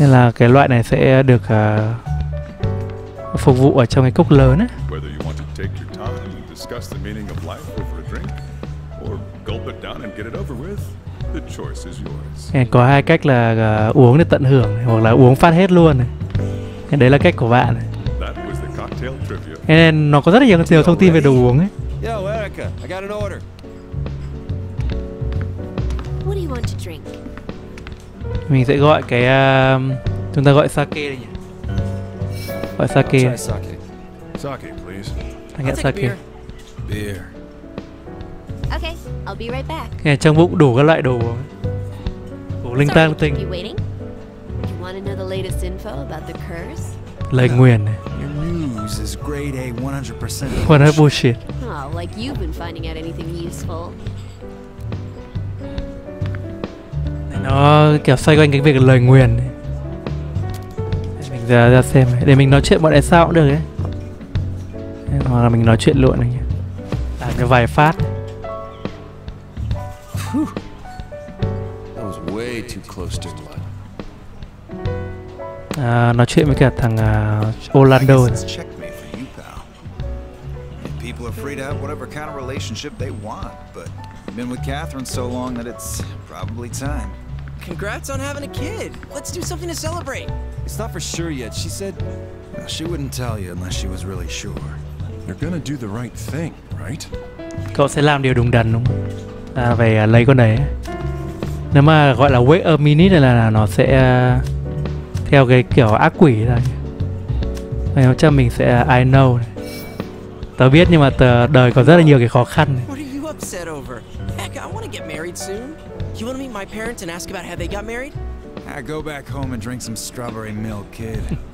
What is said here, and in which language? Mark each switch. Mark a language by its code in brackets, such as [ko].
[vi] Nên là cái loại này sẽ được phục vụ ở trong cái cốc lớn á. [en] Take your time and discuss the meaning of life over a drink, or gulp it down and get it over with. The choice is yours. [vi] Có hai cách là uống để tận hưởng hoặc là uống phát hết luôn. Đấy là cách của bạn. [en] That was the cocktail trivia. [vi] Nên nó có rất là nhiều thông tin về đồ uống ấy. [en] Yo, Erica, I got an order. What do you want to drink? [vi] Mình sẽ gọi cái chúng ta gọi sake đi nhỉ? Gọi sake. [en] I'll try sake. Sake, please. [vi] Anh nghe sake. [en] Beer. Okay, I'll be right back. [vi] Nghe trong bụng đủ các loại đồ uống. Đủ linh tang tinh. [en] You waiting? You want to know the latest info about the curse? [vi] Lời nguyền. [en] Your news is grade A 100%. What a bullshit. Oh, like you've been finding out anything useful. [vi] Nó kiểu xoay quanh cái việc lời nguyền. Mình ra xem. Để mình nói chuyện bọn này sao cũng được ấy. Hoặc là mình nói chuyện luôn này, làm cho vài phát. [en] That was way too close to blood. [vi] À, nói chuyện với cả thằng Orlando. [en] People are free to have whatever kind of relationship they want, but I've been with Catherine so long that it's probably time. Congrats on having a kid. Let's do something to celebrate. It's not for sure yet. She said she wouldn't tell you unless she was really sure. You're gonna do the right thing, right? [vi] Cậu sẽ làm điều đúng đắn đúng không? À, về lấy con đấy. Nếu mà gọi là [en] wait a minute [vi] là nó sẽ theo cái kiểu ác quỷ này. Mày nói chắc mình sẽ [en] I know [vi] này. Tớ biết nhưng mà tớ đời có rất là nhiều cái khó khăn này. [en] What are you upset over? Heck, I want to get married soon. You want to meet my parents and ask about how they got married? I go back home and drink some strawberry milk, kid.